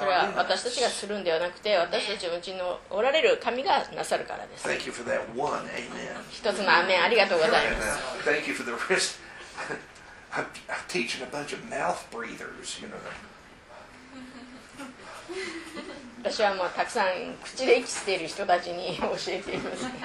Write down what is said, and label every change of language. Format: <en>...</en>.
<ja>それは私たちがするんではなくて、私たちのうちのおられる神がなさるからです。</ja> <en>Thank you for that one. Amen.</en> <ja>一つのアメン、ありがとうございます。</ja> <en>Thank you for the rest. I'm teaching a bunch of mouth breathers, you know.</en> <ja>私はもうたくさん口で息している人たちに教えています。</ja>